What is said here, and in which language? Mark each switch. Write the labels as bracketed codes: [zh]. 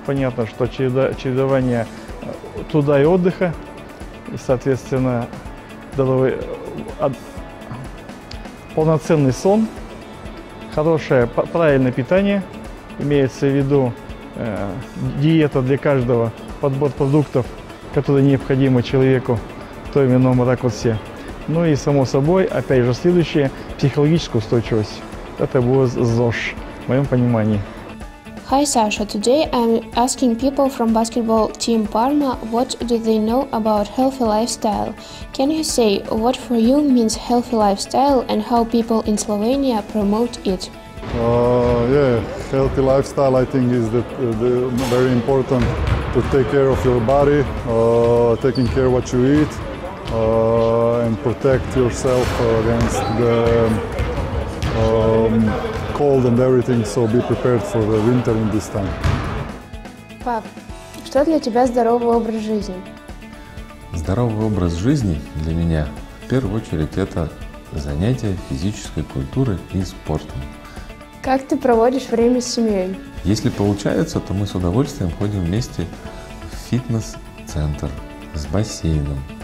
[ru] Понятно, что чередование труда и отдыха, и, соответственно, полноценный сон, хорошее, правильное питание, имеется в виду диета для каждого, подбор продуктов, которые необходимы человеку в той или ином ракурсе. Ну и, само собой, опять же, следующее – психологическая устойчивость. Это будет ЗОЖ, в моем понимании. [en] Hi, Sasha. Today I'm asking people from basketball team Parma, what do they know about healthy lifestyle? Can you say what for you means healthy lifestyle and how people in Slovenia promote it? Healthy lifestyle, I think, is the very important to take care of your body, taking care of what you eat, and protect yourself against the cold and everything, so be prepared for the winter in this time. [ru] Пап, что для тебя здоровый образ жизни? Здоровый образ жизни для меня в первую очередь это занятие физической культурой и спортом. Как ты проводишь время с семьей? Если получается, то мы с удовольствием ходим вместе в фитнес-центр с бассейном.